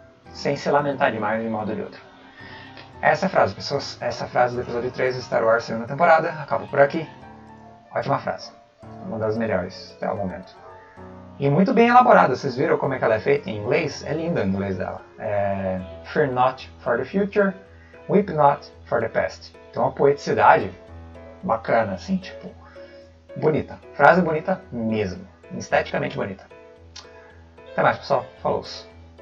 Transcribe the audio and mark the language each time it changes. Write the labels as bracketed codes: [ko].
[pt] Sem se lamentar demais de um modo ou de outro. Essa é a frase, pessoas. Essa é a frase do episódio 3 de Star Wars, segunda temporada. Acabo por aqui. Ótima frase. Uma das melhores até o momento. E muito bem elaborada, vocês viram como é que ela é feita em inglês? É linda o inglês dela. É [en] Fear not for the future, weep not for the past. [pt] Tem uma poeticidade bacana, assim, tipo, bonita. Frase bonita mesmo. Esteticamente bonita. Até mais, pessoal. Falou-se.